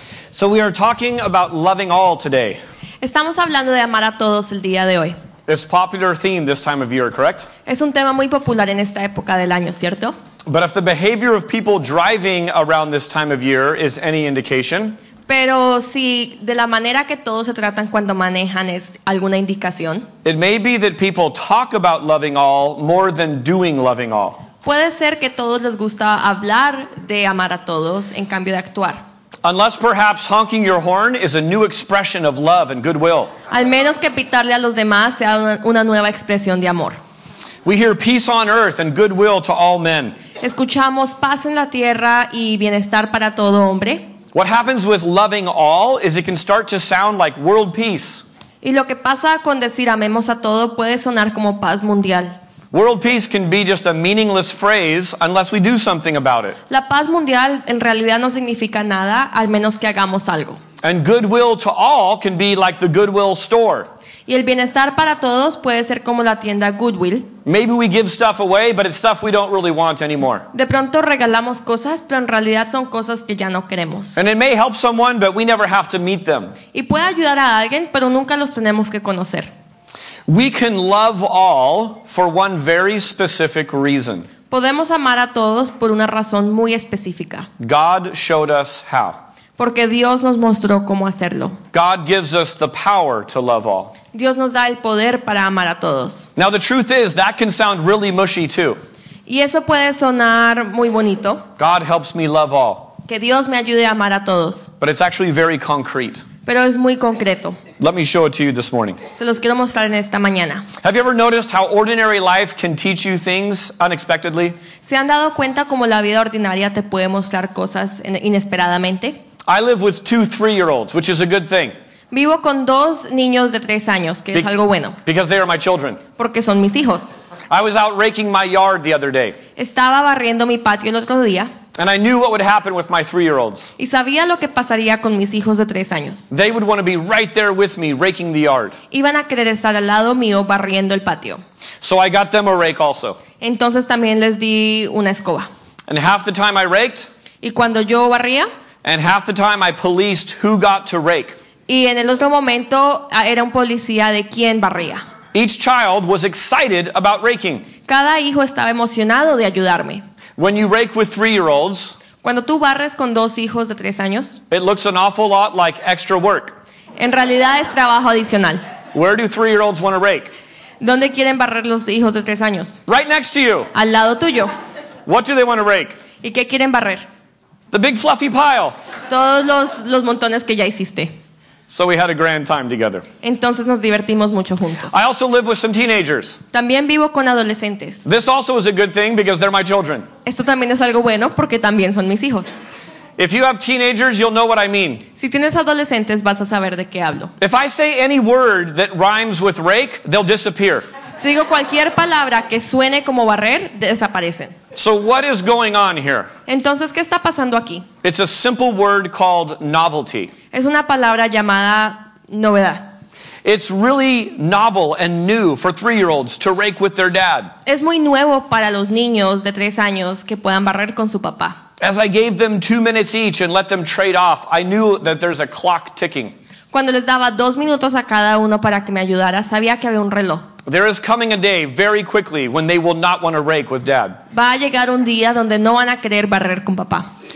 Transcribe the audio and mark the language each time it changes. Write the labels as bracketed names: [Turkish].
[English] So we are talking about loving all today. [Spanish] Estamos hablando de amar a todos el día de hoy. [English] It's a popular theme this time of year, correct? [Spanish] Es un tema muy popular en esta época del año, ¿cierto? [English] But if the behavior of people driving around this time of year is any indication, [Spanish] pero si de la manera que todos se tratan cuando manejan es alguna indicación, [English] it may be that people talk about loving all more than doing loving all. [Spanish] Puede ser que todos les gusta hablar de amar a todos en cambio de actuar. [English] Unless perhaps honking your horn is a new expression of love and goodwill. [Spanish] Al menos que pitarle a los demás sea una nueva expresión de amor. [English] We hear peace on earth and goodwill to all men. [Spanish] Escuchamos paz en la tierra y bienestar para todo hombre. [English] What happens with loving all is it can start to sound like world peace. [Spanish] Y lo que pasa con decir amemos a todo puede sonar como paz mundial. [English] World peace can be just a meaningless phrase unless we do something about it. [Spanish] La paz mundial en realidad no significa nada al menos que hagamos algo. [English] And goodwill to all can be like the Goodwill store. [Spanish] Y el bienestar para todos puede ser como la tienda Goodwill. [English] Maybe we give stuff away, but it's stuff we don't really want anymore. [Spanish] De pronto regalamos cosas, pero en realidad son cosas que ya no queremos. [English] And it may help someone, but we never have to meet them. [Spanish] Y puede ayudar a alguien, pero nunca los tenemos que conocer. [English] We can love all for one very specific reason. [Spanish] Podemos amar a todos por una razón muy específica. [English] God showed us how. [Spanish] Porque Dios nos mostró cómo hacerlo. [English] God gives us the power to love all. [Spanish] Dios nos da el poder para amar a todos. [English] Now the truth is that can sound really mushy too. [Spanish] Y eso puede sonar muy bonito. [English] God helps me love all. [Spanish] Que Dios me ayude a amar a todos. [English] But it's actually very concrete. [Spanish] Pero es muy concreto. [English] Let me show it to you this morning. [Spanish] Se los quiero mostrar en esta mañana. [English] Have you ever noticed how ordinary life can teach you things unexpectedly? [Spanish] ¿Se han dado cuenta cómo la vida ordinaria te puede mostrar cosas inesperadamente? [English] I live with 2 3-year-olds, which is a good thing. [Spanish] Vivo con 2 niños de 3 años, que es algo bueno. [English] Because they are my children. [Spanish] Porque son mis hijos. [English] I was out raking my yard the other day. [Spanish] Estaba barriendo mi patio el otro día. [English] And I knew what would happen with my 3-year-olds. [Spanish] Y sabía lo que pasaría con mis hijos de 3 años. [English] They would want to be right there with me raking the yard. [Spanish] Iban a querer estar al lado mío barriendo el patio. [English] So I got them a rake also. [Spanish] Entonces también les di una escoba. [English] And half the time I raked. [Spanish] Y cuando yo barría. [English] And half the time I policed who got to rake. [Spanish] Y en el otro momento era un policía de quién barría. [English] Each child was excited about raking. [Spanish] Cada hijo estaba emocionado de ayudarme. [English] When you rake with 3-year-olds, [Spanish] cuando tú barres con 2 hijos de 3 años, [English] it looks an awful lot like extra work. [Spanish] En realidad es trabajo adicional. [English] Where do 3-year-olds want to rake? [Spanish] ¿Dónde quieren barrer los hijos de 3 años? [English] Right next to you. [Spanish] Al lado tuyo. [English] What do they want to rake? [Spanish] ¿Y qué quieren barrer? [English] The big fluffy pile. [Spanish] Todos los montones que ya hiciste. [English] So we had a grand time together. [Spanish] Entonces nos divertimos mucho juntos. [English] I also live with some teenagers. [Spanish] También vivo con adolescentes. [English] This also is a good thing because they're my children. [Spanish] Esto también es algo bueno porque también son mis hijos. [English] If you have teenagers, you'll know what I mean. [Spanish] Si tienes adolescentes, vas a saber de qué hablo. [English] If I say any word that rhymes with rake, they'll disappear. [Spanish] Si digo cualquier palabra que suene como barrer, desaparecen. [English] So what is going on here? [Spanish] Entonces, ¿qué está pasando aquí? [English] It's a simple word called novelty. [Spanish] Es una palabra llamada novedad. [English] It's really novel and new for 3-year-olds to rake with their dad. [Spanish] Es muy nuevo para los niños de 3 años que puedan barrer con su papá. [English] As I gave them 2 minutes each and let them trade off, I knew that there's a clock ticking. [Spanish] Cuando les daba dos minutos a cada uno para que me ayudara, sabía que había un reloj. [English] There is coming a day very quickly when they will not want to rake with dad. [Spanish] Va a llegar un día donde no van a querer barrer con papá.